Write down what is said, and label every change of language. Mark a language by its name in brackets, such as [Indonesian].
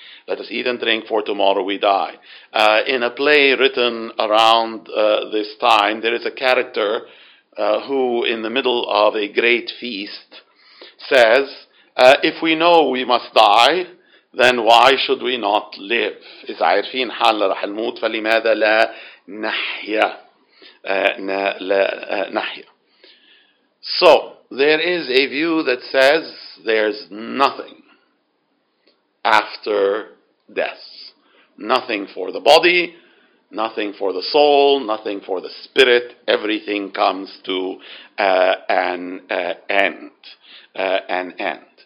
[English] Let us eat and drink, for tomorrow we die. In a play written around this time, there is a character who, in the middle of a great feast, says, if we know we must die, then why should we not live? [Arabic] إذا عارفين حالنا رح نموت فلماذا لا نحيا؟ لا نحيا. [English] So, there is a view that says there's nothing after death. Nothing for the body, nothing for the soul, nothing for the spirit. Everything comes to an end.